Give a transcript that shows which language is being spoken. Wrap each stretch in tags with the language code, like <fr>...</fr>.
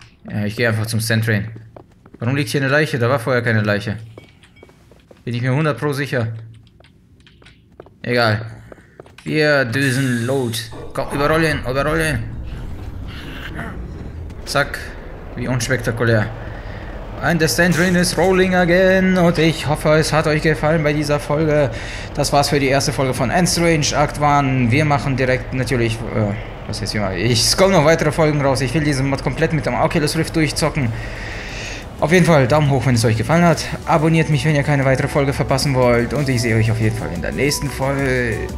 <de>Ja, ich gehe einfach zum Stand Train. Warum liegt hier eine Leiche? Da war vorher keine Leiche. Bin ich mir 100% sicher. Egal. Wir düsen los. Komm, überrollen, überrollen. Zack. Wie unspektakulär.</de> <en>And the Stand Train is rolling again.</en> <de>Und ich hoffe, es hat euch gefallen bei dieser Folge. Das war's für die erste Folge von End Strange Act 1. Wir machen direkt natürlich... was heißt hier mal? Es kommen noch weitere Folgen raus. Ich will diesen Mod komplett mit dem Oculus Rift durchzocken. Auf jeden Fall Daumen hoch, wenn es euch gefallen hat. Abonniert mich, wenn ihr keine weitere Folge verpassen wollt. Und ich sehe euch auf jeden Fall in der nächsten Folge.</de>